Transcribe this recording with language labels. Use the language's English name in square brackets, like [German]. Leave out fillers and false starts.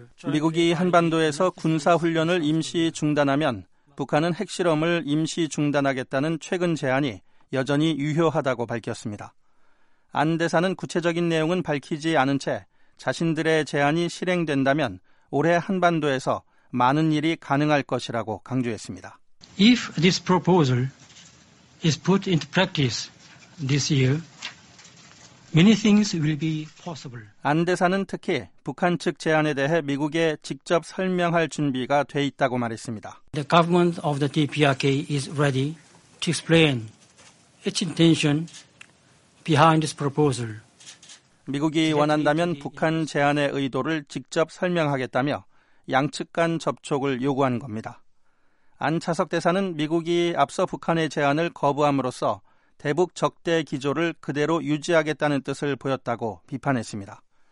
[Korean] 미국이 한반도에서 군사훈련을 임시 중단하면 북한은 핵실험을 임시 중단하겠다는 최근 제안이 여전히 유효하다고 밝혔습니다. 안 대사는 구체적인 내용은 밝히지 않은 채 자신들의 제안이 실행된다면 올해 한반도에서 많은 일이 가능할 것이라고 강조했습니다. [English] If this proposal is put into practice this year, many things will be possible. [Korean] 안 대사는 특히 북한 측 제안에 대해 미국에 직접 설명할 준비가 돼 있다고 말했습니다. [English] The government of the DPRK is ready to explain its intention behind this proposal. [Korean] 미국이 원한다면 북한 제안의 의도를 직접 설명하겠다며 양측 간 접촉을 요구한 겁니다. 안 차석 대사는 미국이 앞서 북한의 제안을 거부함으로써 대북 적대 기조를 그대로 유지하겠다는 뜻을 보였다고 비판했습니다.